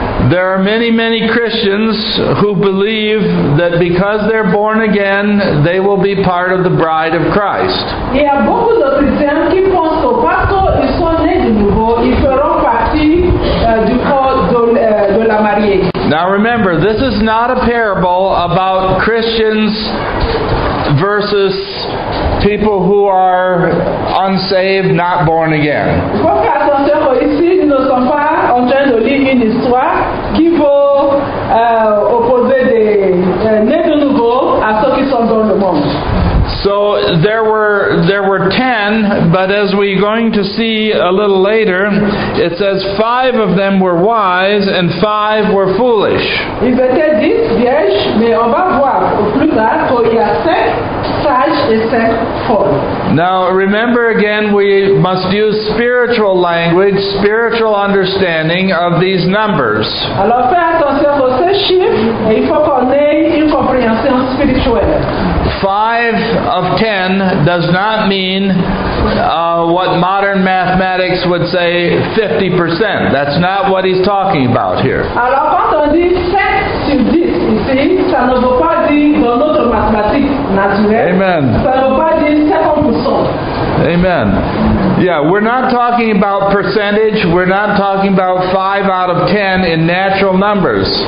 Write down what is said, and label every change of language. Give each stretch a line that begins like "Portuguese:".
English: There are many, many Christians who believe that because they're born again, they will be part of the bride of Christ.
French: Il y a beaucoup de chrétiens qui pensent que parce qu'ils sont nés de nouveau, ils feront partie du corps de la mariée.
English: Now remember, this is not a parable about Christians versus people who are unsaved, not born again.
French: Il faut faire attention qu'ici, nous ne sommes pas en train de lire une histoire qui vaut opposer des nés de nouveau à ceux qui sont dans le monde.
English: So there were 10, but as we're going to see a little later, it says 5 of them were wise and 5 were foolish.
French: Ils étaient 10 vierges, mais on va voir au plus tard qu'il y a 5 sages et 5 folles.
English: Now remember again, we must use spiritual language, spiritual understanding of these numbers.
French: Alors fais attention à ces chiffres et il faut qu'on ait une compréhension spirituelle.
English: 5 of 10 does not mean what modern mathematics would say 50%. That's not what he's talking about here.
French: Alors quand on dit 7 sur 10 ici, ça ne veut pas dire dans notre mathématique naturelle.
English: Amen.
French: Ça ne veut pas dire 50%.
English: Amen. Yeah, we're not talking about percentage. We're not talking about 5 out of 10 in natural numbers.